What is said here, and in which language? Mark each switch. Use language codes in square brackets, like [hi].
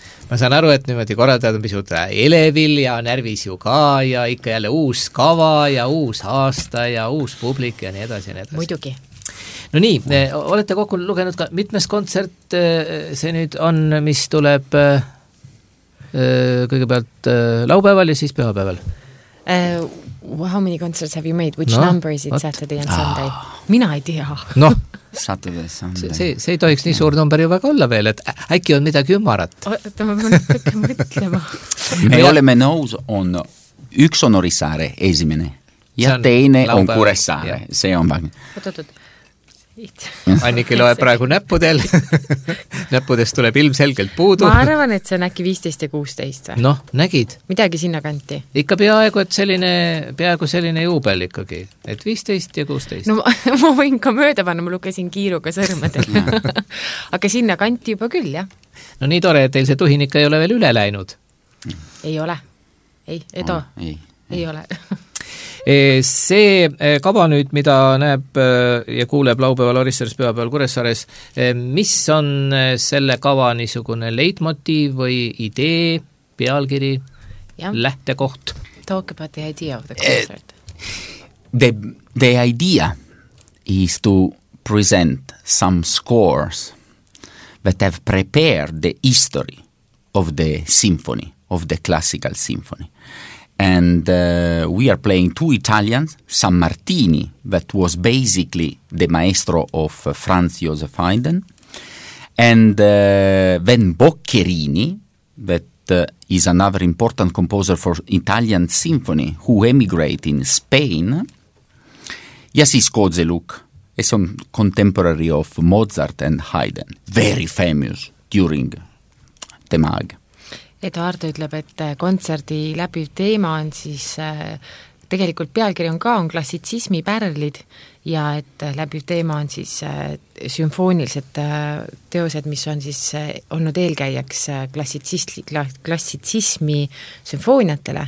[et] Ma saan aru, et niimoodi korraldajad on pisut elevil ja närvis ju ka ja ikka jälle uus kava ja uus aasta ja uus publik ja nii edasi ja nii edasi. Muidugi. No nii, olete kokku lugenud ka mitmes kontsert see nüüd on, mis tuleb kõigepealt laupäeval ja siis pühapäeval? [en] How many concerts have you made? Which number is it Saturday and Sunday? [et] Mina ei tea. Noh. [en] Saturday, Sunday. [et] See ei tohiks nii suur number ju väga olla veel, et äkki on midagi ümmarat. Oota, ma mõtlema. Me oleme nõus, on üks on Orissaare esimene ja teine on Kuressaare. See on väga... Annike loe praegu näppudel. Näppudest tuleb ilmselgelt puudu. Ma arvan, et see on äkki 15 ja 16. Noh, nägid. Midagi sinna kanti. Ikka peaaegu, et selline, peaaegu selline juubel ikkagi. Et 15 ja 16. No ma võin ka mööda panna, ma lukesin kiiruga sõrmadel. Aga sinna kanti juba küll, jah. No nii tore, et teil see tuhin ikka ei ole veel üle läinud. Ei ole. Ei, Edo. Ei ole. See kava nüüd, mida näeb ja kuuleb laupäeval Orissaares, pühapäeval Kuressaares, mis on selle kava niisugune leitmotiiv või idee, pealkiri, lähtekoht? [en] Talk about the idea of the concert. The idea is to present some scores that have prepared the history of the symphony, of the classical symphony. And we are playing two Italians, Sammartini, that was basically the maestro of Franz Joseph Haydn, and then Boccherini, that is another important composer for Italian symphony, who emigrated in Spain. Jacek Kozeluk, a contemporary of Mozart and Haydn, very famous during the Mag. [et] Eduardo ütleb, et kontserdi läbiv teema on siis, tegelikult pealkiri on ka, on klassitsismi pärlid ja et läbiv teema on siis sümfoonilised teosed, mis on siis olnud eelkäijaks klassitsismi sümfooniatele.